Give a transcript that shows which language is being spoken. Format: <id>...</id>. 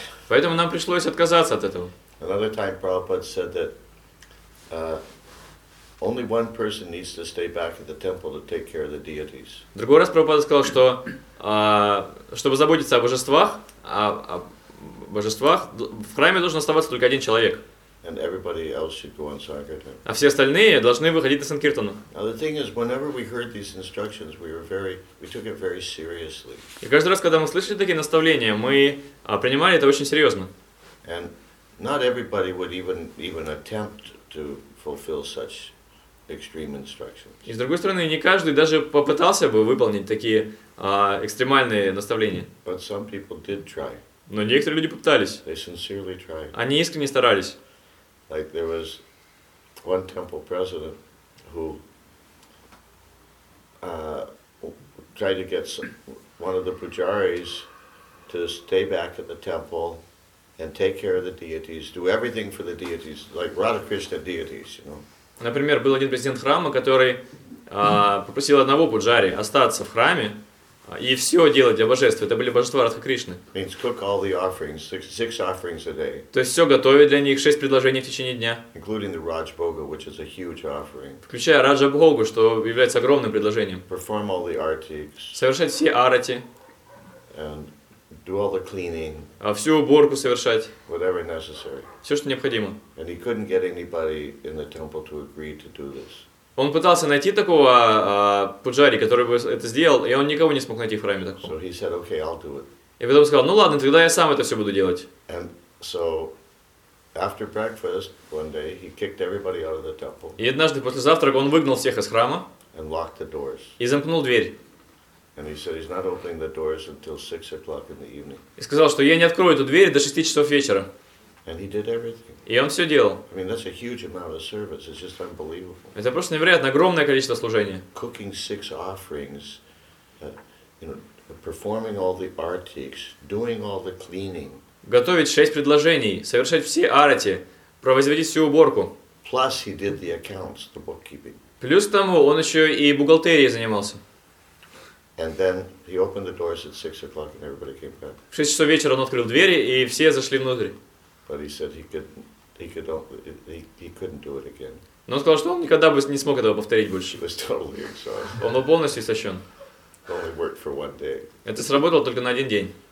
<ru>Поэтому нам пришлось отказаться от этого.</ru> <en>Another time Prabhupada said that only one person needs to stay back at the temple to take care of the deities.</en> <ru>Другой раз Прабхупада сказал, что чтобы заботиться о божествах, в храме должен оставаться только один человек.</ru> <en>And everybody else should go on sankirtan.</en> <ru>А все остальные должны выходить на санкиртану.</ru> <en>Now the thing is, whenever we heard these instructions, we took it very seriously.</en> <ru>И каждый раз, когда мы слышали такие наставления, мы принимали это очень серьезно.</ru> <en>And not everybody would even attempt to fulfill such extreme instructions.</en> <ru>И с другой стороны, не каждый даже попытался бы выполнить такие экстремальные наставления.</ru> <en>But some people did try.</en> <ru>Но некоторые люди попытались.</ru> <en>They sincerely tried.</en> <ru>Они искренне старались.</ru> <en>Like there was one temple president who tried to get one of the pujaris to stay back at the temple and take care of the deities, do everything for the deities, like Radhakrishna deities, you know.</en> <ru>Например, был один президент храма, который попросил одного пуджари остаться в храме и все делать для божества. Это были божества Радхакришны.</ru> <en>Means cook all the offerings, six offerings a day.</en> <ru>То есть все готовить для них, шесть предложений в течение дня.</ru> <en>Including the Rajbhoga, which is a huge offering.</en> <ru>Включая Раджабхогу, что является огромным предложением.</ru> <en>Perform all the artics.</en> <ru>Совершать все арати.</ru> <en>And do all the cleaning.</en> <ru>А всю уборку совершать.</ru> <en>Whatever necessary.</en> <ru>Все, что необходимо.</ru> <en>And he couldn't get anybody in the temple to agree to do this.</en> <ru>Он пытался найти такого пуджари, который бы это сделал, и он никого не смог найти в храме такого.</ru> <en>So he said, okay, I'll do it.</en> <ru>И потом сказал, ну ладно, тогда я сам это все буду делать.</ru> <en>And so after breakfast one day he kicked everybody out of the temple.</en> <ru>И однажды после завтрака он выгнал всех из храма.</ru> <en>And locked the doors.</en> <ru>И замкнул дверь.</ru> <en>And he said he's not opening the doors until 6 o'clock in the evening.</en> <ru>И сказал, что я не открою эту дверь до 6 часов вечера.</ru> <en>And he did everything.</en> <ru>И он все делал.</ru> <en>I mean, that's a huge amount of service. It's just unbelievable.</en> <ru>Это просто невероятно огромное количество служения.</ru> <en>Cooking six offerings, performing all the artics, doing all the cleaning.</en> <ru>Готовить шесть предложений, совершать все арати, производить всю уборку.</ru> <en>Plus he did the accounts, the bookkeeping.</en> <ru>Плюс к тому он еще и бухгалтерией занимался.</ru> <en>And then he opened the doors at 6 o'clock, and everybody came back.</en> <ru>В 6 часов вечера он открыл двери, и все зашли внутрь.</ru> <en>But he said he couldn't do it again.</en> <ru>Но он сказал, что он никогда бы не смог этого повторить больше.</ru> <en>He was totally exhausted.</en> <ru>Он был полностью истощен.</ru> <en>It only worked for one day.</en> <ru>Это сработало только на один день.</ru>